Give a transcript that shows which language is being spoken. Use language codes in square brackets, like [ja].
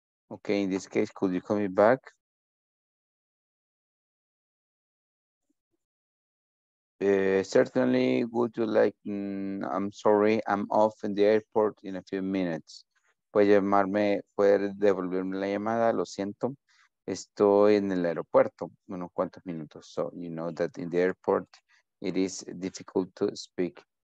[en] Okay, in this case, could you call me back? Certainly, would you like, I'm sorry, I'm off in the airport in a few minutes. [es] Puede llamarme, puede devolverme la llamada, lo siento. Estoy en el aeropuerto, unos cuantos minutos. [en] So, you know that in the airport, it is difficult to speak.